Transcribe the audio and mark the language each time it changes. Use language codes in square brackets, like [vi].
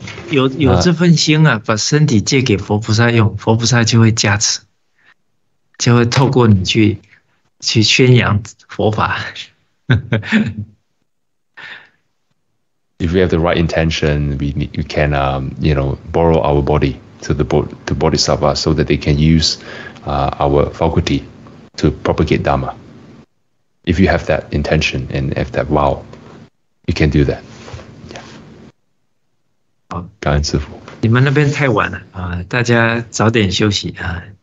[zh] 有这份心啊，把身体借给佛菩萨用，佛菩萨就会加持，就会透过你去宣扬佛法。 [en] If we have the right intention, we can you know, borrow our body to Bodhisattva so that they can use our faculty to propagate Dharma. If you have that intention and have that vow, you can do that. [zh] 好，感恩师父。你们那边太晚了啊，大家早点休息啊。